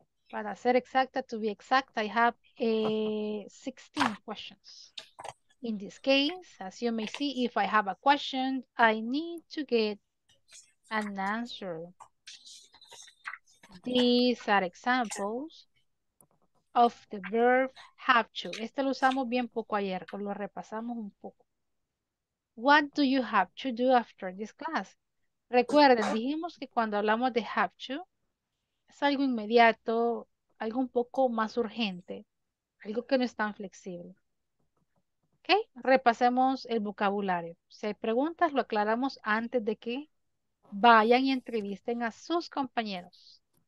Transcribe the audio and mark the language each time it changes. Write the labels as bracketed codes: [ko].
[es] Para ser exacta, [en] to be exact, I have 16 questions. In this case, as you may see, if I have a question, I need to get an answer. These are examples of the verb have to. [es] Este lo usamos bien poco ayer, o lo repasamos un poco. [en] What do you have to do after this class? [es] Recuerden, dijimos que cuando hablamos de have to, es algo inmediato, algo un poco más urgente, algo que no es tan flexible. ¿Ok? Repasemos el vocabulario. Si hay preguntas, lo aclaramos antes de que vayan y entrevisten a sus compañeros.